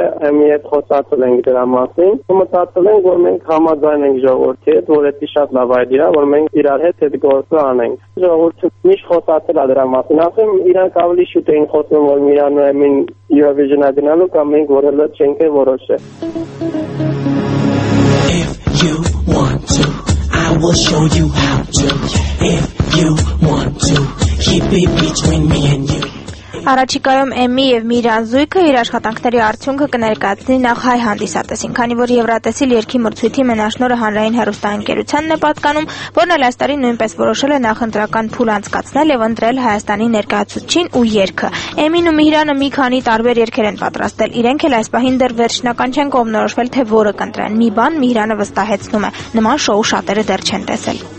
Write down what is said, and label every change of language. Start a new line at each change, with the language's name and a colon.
Armenian: Էմի հետ խոսացել ենք դրա մասին, ու մտածել ենք, որ մենք համաձայն ենք ժողովրդի հետ, որ դա շատ լավ այդիա, որ մենք իրար հետ այդ գործը անենք։ Ժողովուրդը միշտ խոսացել է դրա մասին, ասեմ, իրանք ավելի շուտ էին խոսում, որ Միրան ու Էմին Eurovision-ը գնալու կամ մենք որելը չենք է որոշել։
English: If you want to, I will show you how to. If you want to, keep it between me and you.
Armenian: Առաջիկայում Էմի և Միրան զույգը իր աշխատանքների արդյունքը կներկայացնի նախ հայ հանդիսատեսին, քանի որ Եվրատեսիլ երգի մրցույթի մենաշնորը հանրային հեռուստաընկերությանն է պատկանում, որն այս տարի նույնպես որոշել է նախընտրական փուլ անցկացնել և ընտրել Հայաստանի ներկայացուցչին ու երգը։ Էմին ու Միրանը մի քանի տարբեր երգեր են պատրաստել, իրենք էլ այս պահին դեռ վերջնական չեն կողմնորոշվել, թե որը կընտրեն։ Մի բան Միրանը վստահեցնում է, նման շոու շատերը դեռ չեն տեսել։